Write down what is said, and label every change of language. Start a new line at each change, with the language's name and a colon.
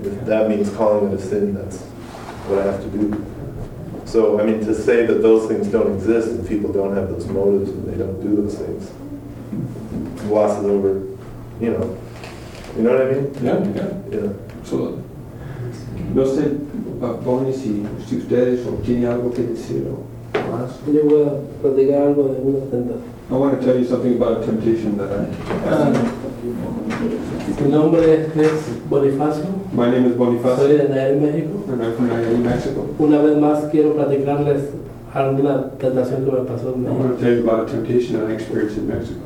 English: If that means calling it a sin, that's what I have to do. So, I mean, to say that those things don't exist and people don't have those motives and they don't do those things, glosses over. You know what I mean? Yeah. Absolutely.
Spanish: No sé, Bonnie, si ustedes tienen algo que decir o más. Yo voy a platicar algo de una tentación.
English: I want to tell you something about a temptation that I have.
Spanish: Mi nombre es Bonifacio.
English: My name is Bonifacio.
Spanish: Soy de Nayarit, México.
English: And I'm from Nayarit, Mexico.
Spanish: Una vez más quiero platicarles alguna tentación que me pasó en México.
English: I want to tell you about a temptation that I experienced in Mexico.